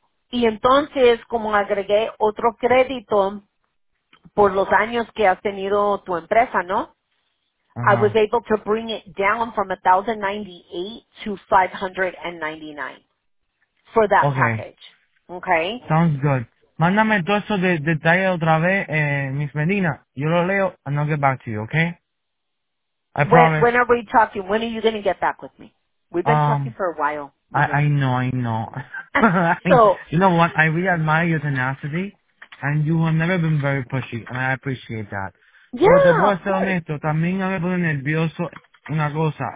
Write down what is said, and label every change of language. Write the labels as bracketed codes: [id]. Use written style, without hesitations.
[es] Y entonces, como agregué otro crédito por los años que has tenido tu empresa, ¿no? [en] I was able to bring it down from 1,098 to 599 for that package. Okay. Sounds good. [es] Mándame todo eso de detalle otra vez, Miss Medina. Yo lo leo [en] and I'll get back to you, okay? I promise. When are we talking? When are you going to get back with me? We've been talking for a while. I know. You know what? I really admire your tenacity, and you have never been very pushy, and I appreciate that. Yeah. [es] Pero te puedo ser honesto, también a mí me pone nervioso una cosa.